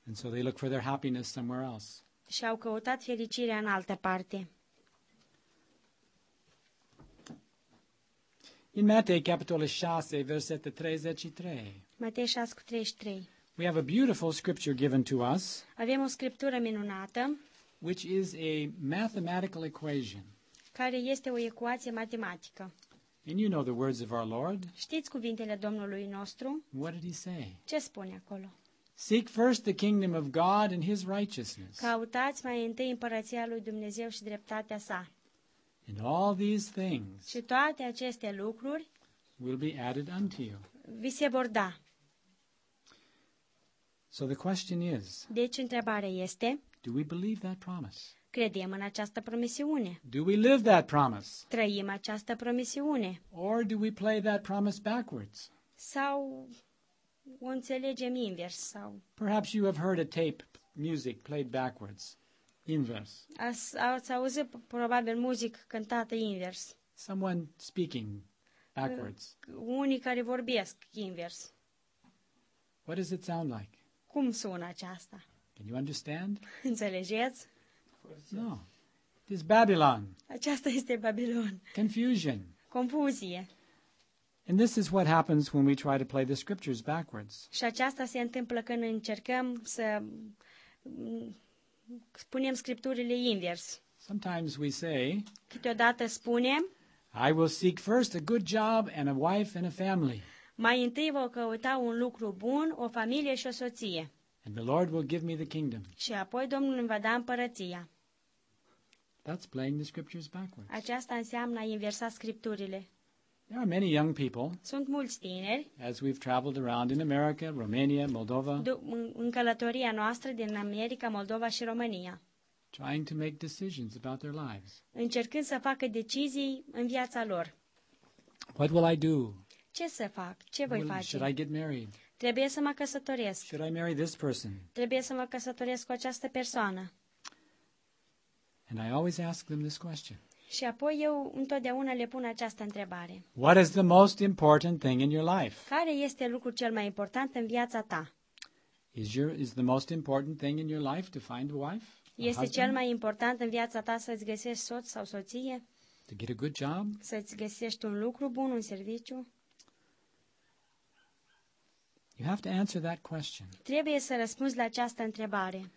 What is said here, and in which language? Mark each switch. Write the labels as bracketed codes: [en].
[en] And so they look for their happiness somewhere else. [ro] Și au căutat fericirea în altă parte. In Matei, capitolul 6, versetul 33. Matei 6:33. [en] We have a beautiful scripture given to us. [ro] Avem o scriptură minunată. [en] Which is a mathematical equation. [ro] Care este o ecuație matematică. [en] And you know the words of our Lord. [ro] Știți cuvintele Domnului nostru? [en] What did he say? [ro] Ce spune acolo? [en] Seek first the kingdom of God and his righteousness. [ro] Căutați mai întâi împărăția lui Dumnezeu și dreptatea sa. [en] And all these things. [ro] Și toate aceste lucruri [en] will be added unto you. [ro] Vi se vor da. [en] So the question is. [ro] Deci întrebarea este. [en] Do we believe that promise? [ro] Credem în această promisiune? [en] Do we live that promise? [ro] Trăim această promisiune? [en] Or do we play that promise backwards? [ro] Sau o înțelegem invers sau? [en] Perhaps you have heard a tape music played backwards. [ro] Invers. Ați auzit probabil muzică cântată invers. [en] Someone speaking backwards. [ro] Unii care vorbesc invers. [en] What does it sound like? [ro] Cum sună aceasta? [en] Can you understand? [ro] Înțelegeți? [en] No. It is Babylon. [ro] Aceasta este Babilon. [en] Confusion. [ro] Confuzie. [en] And this is what happens when we try to play the scriptures backwards. [ro] Și aceasta se întâmplă când încercăm să spunem scripturile invers. [en] Sometimes we say, [ro] câteodată spunem, [en] I will seek first a good job and a wife and a family. [ro] Mai întâi voi căuta un lucru bun, o familie și o soție. [en] And the Lord will give me the kingdom. [ro] Și apoi Domnul îmi va da împărăția. [en] That's playing the scriptures backwards. [ro] Aceasta înseamnă a inversa scripturile. [en] There are many young people. [ro] Sunt mulți tineri. [en] As we've traveled around in America, Romania, Moldova. [ro] În călătoria noastră din America, Moldova și România. [en] Trying to make decisions about their lives. [ro] Încercând să facă decizii în viața lor. [en] What will I do? [ro] Ce să fac? Ce voi face? [en] Should I get married? [ro] Trebuie să mă căsătoresc. [en] Should I marry this person? [ro] Trebuie să mă căsătoresc cu această persoană. [en] And I always ask them this question. [ro] Și apoi eu întotdeauna le pun această întrebare. [en] What is the most important thing in your life? [ro] Care este lucrul cel mai important în viața ta? [en] Is the most important thing in your life to find a wife? [ro] Este cel mai important în viața ta să-ți găsești soț sau soție? [en] To get a good job? [ro] Să-ți găsești un lucru bun, un serviciu? [en] You have to answer that question. [ro] Trebuie să răspunzi la această întrebare.